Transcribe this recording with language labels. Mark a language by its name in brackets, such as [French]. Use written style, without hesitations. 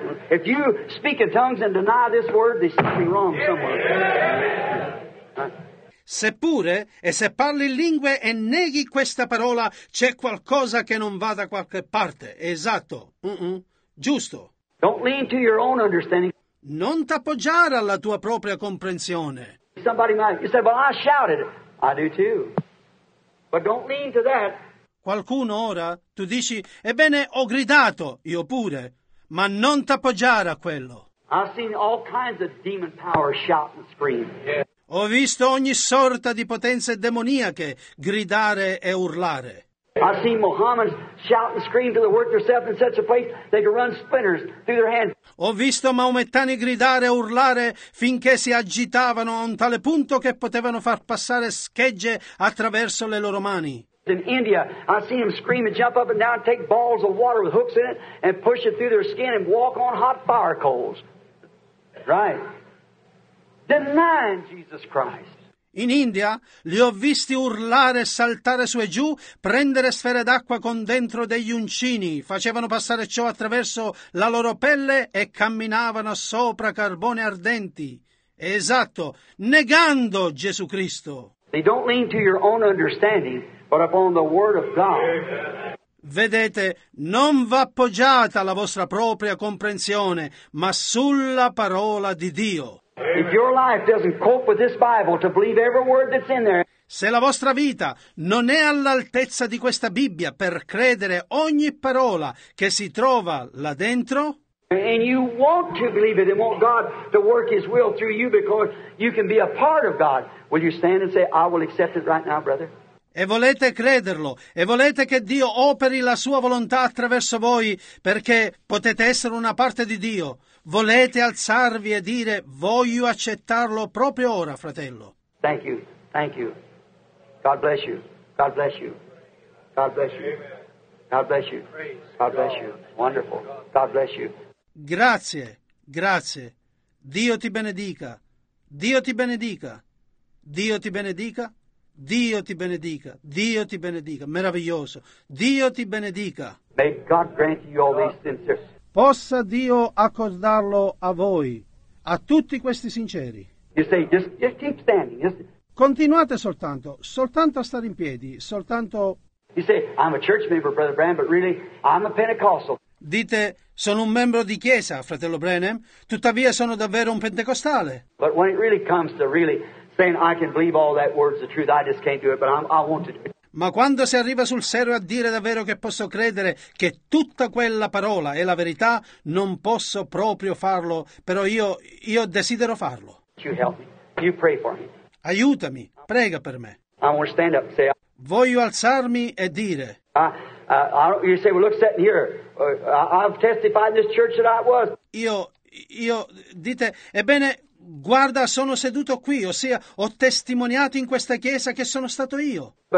[English] If you speak in tongues and deny this word, there's something wrong somewhere. [Italian] Seppure, e se parli in lingue e neghi questa parola, c'è qualcosa che non va da qualche parte. Esatto. Giusto. [English] Don't lean to your own understanding. [Italian] Non t'appoggiare alla tua propria comprensione. [English] Somebody might, you say, well, I shouted. I do too. But don't lean to that. [Italian] Qualcuno ora, tu dici, ebbene, ho gridato, io pure. Ma non t'appoggiare a quello. [English] I've seen all kinds of demon power shout and scream. Yeah. [Italian] Ho visto ogni sorta di potenze demoniache gridare e urlare. [English] I've seen Mohammed shout and scream till they work themselves in such a place they can run splinters through their hands. [Italian] Ho visto maomettani gridare e urlare finché si agitavano a un tale punto che potevano far passare schegge attraverso le loro mani. [English] In India, I've seen them scream and jump up and down, take balls of water with hooks in it and push it through their skin and walk on hot fire coals. Right. Denying Jesus Christ. [Italian] In India li ho visti urlare, saltare su e giù, prendere sfere d'acqua con dentro degli uncini, facevano passare ciò attraverso la loro pelle e camminavano sopra carboni ardenti. Esatto, negando Gesù Cristo. [English] They don't lean to your own understanding, but upon the word of God. [Italian] Vedete, non va appoggiata alla vostra propria comprensione, ma sulla parola di Dio. [English] If your life doesn't cope with this Bible to believe every word that's in there. [Italian] Se la vostra vita non è all'altezza di questa Bibbia per credere ogni parola che si trova là dentro. [English] And you want to believe it and want God to work His will through you because you can be a part of God. Will you stand and say, I will accept it right now, brother? [Italian] E volete crederlo, e volete che Dio operi la sua volontà attraverso voi, perché potete essere una parte di Dio. Volete alzarvi e dire, voglio accettarlo proprio ora, fratello. [English] Thank you, thank you. God bless you, God bless you, God bless you, God bless you, God bless you, wonderful, God bless you. [Italian] Grazie, grazie. Dio ti benedica, Dio ti benedica, Dio ti benedica. Dio ti benedica, Dio ti benedica, meraviglioso, Dio ti benedica. [English] May God grant you all these sincere. [Italian] Possa Dio accordarlo a voi, a tutti questi sinceri. [English] You say, just keep standing. [Italian] Continuate soltanto, soltanto a stare in piedi, soltanto. [English] You say, I'm a church member, Brother Branham, but really, I'm a Pentecostal. [Italian] Dite, sono un membro di chiesa, fratello Branham, tuttavia sono davvero un pentecostale. [English] But when it really comes to really saying I can believe all that word's the truth, I just can't do it, but I want to do it. [Italian] Ma quando si arriva sul serio a dire davvero che posso credere che tutta quella parola è la verità, non posso proprio farlo, però io desidero farlo. [English] You help me. You pray for me. [Italian] Aiutami, prega per me. [English] I want to stand up and say, [Italian] voglio alzarmi e dire. [English] You say, well, look, sitting here, I've testified in this church that I was. [Italian] Io dite, ebbene. Guarda, sono seduto qui, ossia ho testimoniato in questa chiesa che sono stato io.